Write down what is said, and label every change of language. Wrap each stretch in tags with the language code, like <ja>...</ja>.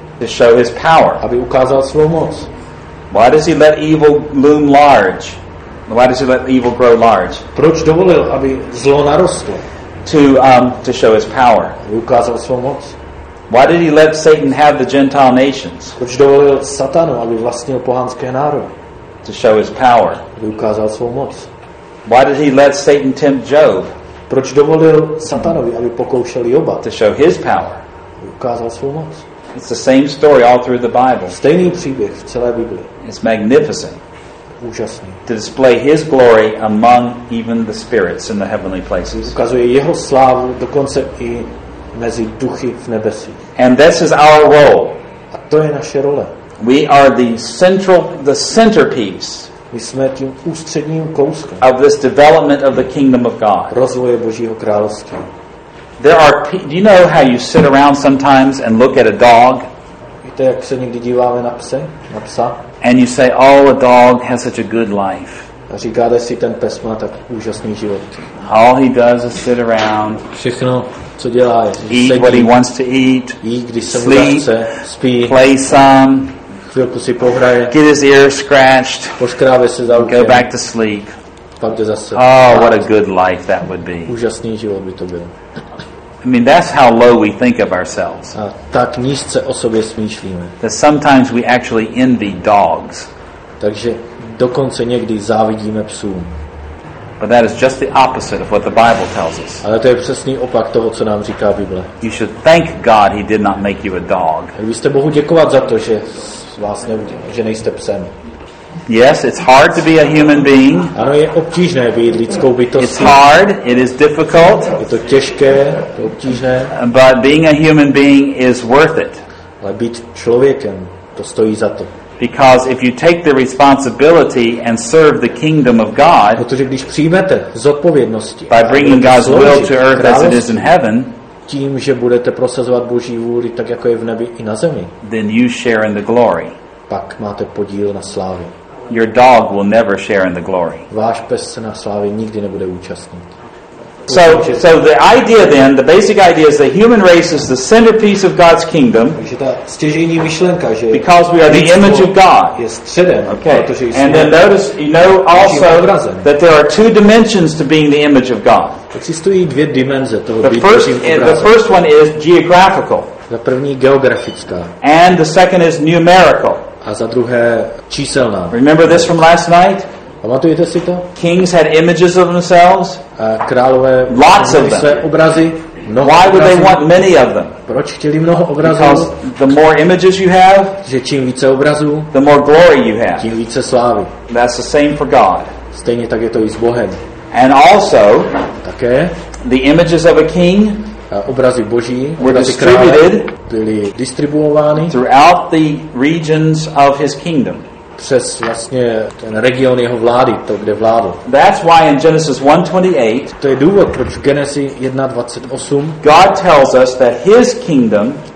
<en>To show his power.</en> <cs>Aby ukázal svou moc.</cs> <en>Why does he let evil loom large? Why does he let evil grow large?</en> <cs>Proč dovolil, aby zlo narostlo?</cs> <en>To show his power.</en> <cs>Aby ukázal svou moc.</cs> <en>Why did he let Satan have the Gentile nations?</en> <cs>Proč dovolil Satanu, aby vlastnil pohanské národy?</cs> <en>To show his power.</en> <cs>Aby ukázal svou moc.</cs> <en>Why did he let Satan tempt Job?</en> <cs>Proč dovolil Satanovi, aby pokoušel Joba?</cs> <en>To show his power.</en> <cs>Aby ukázal svou moc.</cs> <en>It's the same story all through the Bible.</en> <cs>Stejný příběh v celé Biblii.</cs> <en>It's magnificent.</en> <cs>Úžasný.</cs> <en>To display his glory among even the spirits in the heavenly places.</en> <cs>Ukazuje jeho slávu dokonce i mezi duchy v nebesích.</cs> <en>And this is our role.</en> <cs>A to je naše role.</cs> <en>We are the centerpiece.</en> <cs>My jsme tím ústředním kouskem.</cs> <en>Of this development of the kingdom of God.</en> <cs>Rozvoje Božího království.</cs> <en>There are. Do you know how you sit around sometimes and look at a dog?</en> <cs>Víte, jak se někdy díváme na psa, na psa?</cs> <en>And you say, "Oh, a dog has such a good life."</en> <cs>A říkáte si, ten pes má tak úžasný život.</cs> <en>All he does is sit around.</en> <cs>Všechno, co dělá, je,</cs> <en>eat</en> <cs>sedí,</cs> <en>what he wants to eat.</en> <cs>Jí, když se</cs> <en>sleep.</en> <cs>Chce, spí,</cs> <en>play some.</en> <cs>Chvilku si pohraje.</cs> <en>Get his ears scratched.</en> <cs>Poškrábe se za ruky.</cs> <en>Go back to sleep.</en> <cs>Pak jde zase.</cs> <en>Oh, what a good life that would be.</en> <cs>Úžasný život by to byl.</cs> <en>I mean, that's how low we think of ourselves.</en> <cs>A tak nízce o sobě smýšlíme.</cs> <en>That sometimes we actually envy dogs.</en> <cs>Takže dokonce někdy závidíme psům.</cs> <en>But that is just the opposite of what the Bible tells us.</en> <cs>Ale to je přesný opak toho, co nám říká Bible.</cs> <en>You should thank God he did not make you a dog.</en> <cs>A vy jste Bohu děkovat za to, že vás neudělal, že nejste psem.</cs> <en>Yes, it's hard to be a human being.</en> <cs>Ano, je obtížné být lidskou bytostí.</cs> <en>It's hard, it is difficult.</en> <cs>Je to těžké, to obtížné.</cs> <en>But being a human being is worth it.</en> <cs>Ale být člověkem, to stojí za to.</cs> <en>Because if you take the responsibility and serve the kingdom of God,</en> <cs>protože když přijmete zodpovědnosti,</cs> <en>by bringing God's will to earth as it is in heaven,</en> <cs>tím, že budete prosazovat Boží vůli tak, jako je v nebi i na zemi,</cs> <en>then you share in the glory.</en> <cs>Pak máte podíl na slávě.</cs> <en>Your dog will never share in the glory.</en> <cs>Váš pes se na slávě nikdy nebude účastnit.</cs> <en>So the idea then, the basic idea is that human race is the centerpiece of God's kingdom.</en> <cs>Takže ta stěžejní myšlenka, že</cs> <en>because we are the image of God.</en> <cs>Je středem,</cs> <en>okay.</en> <cs>Protože jsme.</cs> <en>And then notice, you know also that there are two dimensions to being the image of God.</en> <cs>Existují dvě dimenze toho být Božím obrazem.</cs> <en>The first one is geographical.</en> <cs>Za první geografická.</cs> <en>And the second is numerical.</en> <cs>A za druhé číselná.</cs> <en>Remember this from last night?</en> <cs>Pamatujete si to?</cs> <en>Kings had images of themselves.</en> <cs>Králové</cs> <en>lots of</en> <cs>své obrazy.</cs> <en>Why would</en> <cs>obrazů?</cs> <en>They want many of them?</en> <cs>Proč chtěli mnoho obrazů?</cs> <en>Because the more images you have,</en> <cs>že čím více obrazů,</cs> <en>the more glory you have.</en> <cs>Tím více slávy.</cs> <en>That's the same for God.</en> <cs>Stejně tak je to i s Bohem.</cs> <en>And also,</en> <cs>také</cs> <en>the images of a king,</en> <cs>obrazy Boží,</cs> <en>were distributed,</en> <cs>byly distribuovány</cs> <en>throughout the regions of his kingdom.</en> <cs>Přes vlastně ten region jeho vlády, to kde vládl.</cs> <en>That's why in Genesis 1:28,</en> <cs>to je důvod, proč v Genesis 1:28</cs> <en>God tells us that his kingdom,</en>